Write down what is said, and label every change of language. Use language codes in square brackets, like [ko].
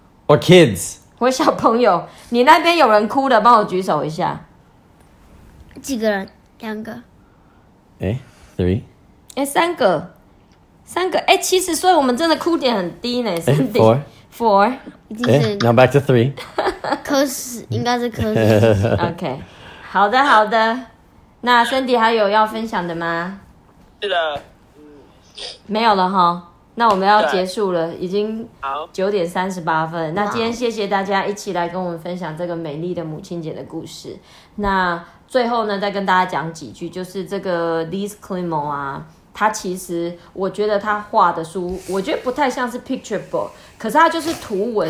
[en] Or kids， [zh] 我小朋友，你那边有人哭的，帮我举手一下。几个人？两个。 [en] three。 [zh] 三个。其实所以我们真的哭点很低呢，是低。 [en] Four。 Okay, now back to three. [zh] Curse, 应该是 curse. Okay. 好的好的。那 Sandy 还有要分享的吗？是的。没有了齁。那我们要结束了，已经9:38。那今天谢谢大家一起来跟我们分享这个美丽的母亲节的故事。那最后呢，再跟大家讲几句，就是这个 Liz Climo 啊，他其实我觉得他画的书，我觉得不太像是 picture book， 可是他就是图文书，